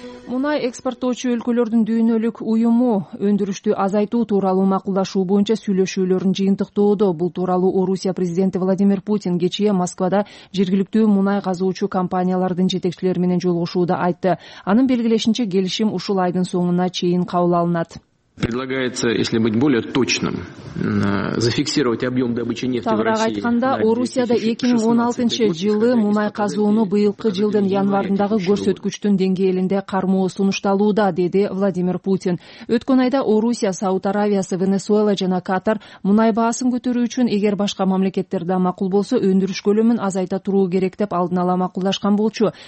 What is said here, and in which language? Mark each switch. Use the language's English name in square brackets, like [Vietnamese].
[Kyrgyz] Мунай экспорттоочу өлкөлөрдүн дүйнөлүк уюму өндүрүштү азайтуу тууралуу макулдашуу боюнча сүйлөшүүлөрүн жыйынтыктоодо. Бул тууралуу Орусия президенти Владимир Путин кечээ Москвада жергиликтүү мунай казуучу компаниялардын жетекчилери менен жолугушууда айтты. Анын белгилешинче келишим ушул айдын соңуна чейин кабыл алынат. [Russian] Предлагается, если быть более точным, зафиксировать объем добычи нефти в России. Так [Kyrgyz] айтканда, Орусияда 2016 жылы мунай казууну быйылкы жылдын январындагы көрсөткүчтүн деңгээлинде кармоо сунушталууда, деди Владимир Путин. Өткөн айда Орусия, Сауд Аравиясы, Венесуэла жана Катар мунай баасын көтөрүү үчүн эгер башка мамлекеттер да макул болсо, өндүрүш көлөмүн азайта туруу керек деп алдын ала макулдашкан болчу.